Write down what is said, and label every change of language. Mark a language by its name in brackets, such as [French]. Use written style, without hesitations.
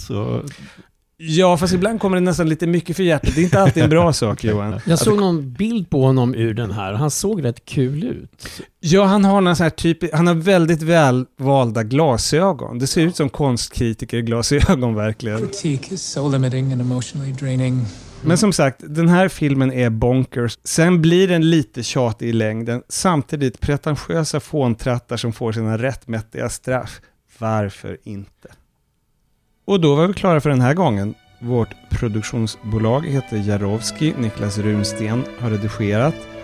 [Swedish] Så... Ja, fast ibland kommer det nästan lite mycket för hjärtat. Det är inte alltid en bra sak, Johan. Jag såg någon bild på honom ur den här. Han såg rätt kul ut. Ja, han har någon så här typ, han har väldigt välvalda glasögon. Det ser ut som konstkritiker glasögon verkligen. [English] Critique is so limiting and emotionally draining. [Swedish] Men som sagt, den här filmen är bonkers. Sen blir den lite tjatig i längden. Samtidigt pretentiösa fåntrattar som får sina rättmättiga straff. Varför inte? Och då var vi klara för den här gången. Vårt produktionsbolag heter Jarovski. Niklas Runsten har redigerat.